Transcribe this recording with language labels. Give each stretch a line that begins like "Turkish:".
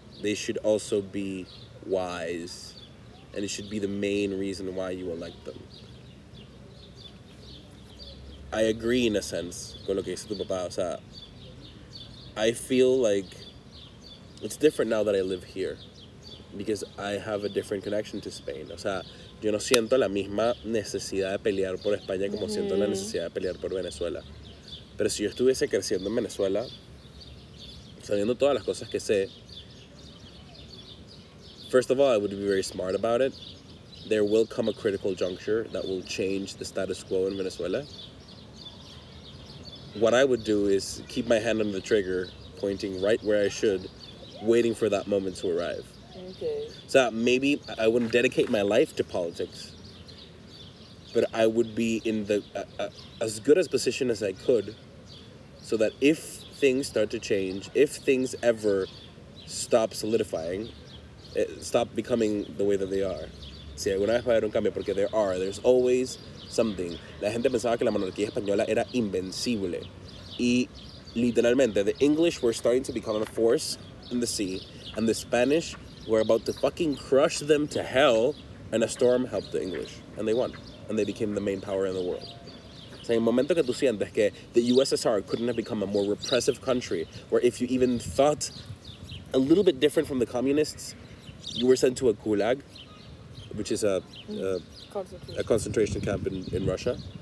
English: They should also be wise, and it should be the main reason why you elect them. I agree, in a sense,
Spanish: con lo que dice tu papá. O sea,
English: I feel like it's different now that I live here, because I have a different connection to Spain.
Spanish: O sea, yo no siento la misma necesidad de pelear por España como siento la necesidad de pelear por Venezuela. Pero si yo estuviese creciendo en Venezuela, sabiendo todas las cosas que sé,
English: first of all, I would be very smart about it. There will come a critical juncture that will change the status quo in Venezuela. What I would do is keep my hand on the trigger, pointing right where I should, waiting for that moment to arrive. Okay. So maybe I wouldn't dedicate my life to politics, but I would be in the as good a position as I could, so that if things start to change, if things ever stop solidifying, stop becoming the way that they are.
Spanish: Si alguna vez va a haber un cambio, porque
English: there's always something.
Spanish: La gente pensaba que la monarquía española era invencible. Y literalmente,
English: the English were starting to become a force in the sea, and the Spanish were about to fucking crush them to hell, and a storm helped the English, and they won, and they became the main power in the world.
Spanish: O sea, en el momento que tú sientes que
English: the USSR couldn't have become a more repressive country, where if you even thought a little bit different from the communists, you were sent to a gulag, which is a concentration camp in Russia.